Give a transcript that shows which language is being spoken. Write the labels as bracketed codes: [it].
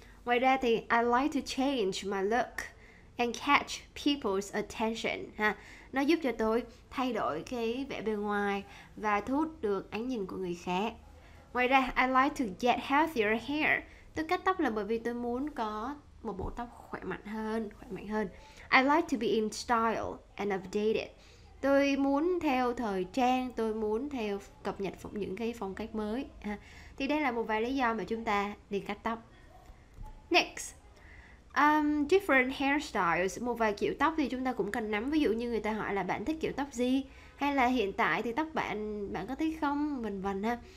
[vi] Ngoài ra thì [en] I like to change my look and catch people's attention ha. [vi] Nó giúp cho tôi thay đổi cái vẻ bề ngoài và thu hút được ánh nhìn của người khác. Ngoài ra, [en] I like to get healthier hair. [vi] Tôi cắt tóc là bởi vì tôi muốn có một bộ tóc khỏe mạnh hơn, khỏe mạnh hơn. [en] I like to be in style and updated. [vi] Tôi muốn theo thời trang, tôi muốn theo cập nhật những cái phong cách mới. Thì đây là một vài lý do mà chúng ta đi cắt tóc. Next. Different hairstyles, một vài kiểu tóc thì chúng ta cũng cần nắm. Ví dụ như người ta hỏi là bạn thích kiểu tóc gì, hay là hiện tại thì tóc bạn có thích không, vân vân ha.